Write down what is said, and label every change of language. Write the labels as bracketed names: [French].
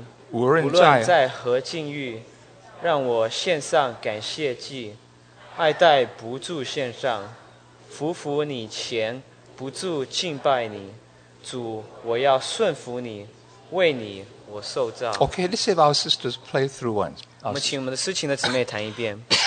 [Chinese] 为着荣耀你名，我受造，无论在何境遇，让我献上感谢祭；为着献上爱戴，为着敬拜服服，我受造。我要顺服你，为你我受造。赞美不住献上，荣耀不住归于你圣名。无论在何境遇。让我献上感谢祭，爱戴不住献上，俯伏你前不住敬拜你，主，我要顺服你，为你我受造。 [English] Okay, let's have our sisters play through once. [Chinese] 我们请我们的四情的姊妹弹一遍。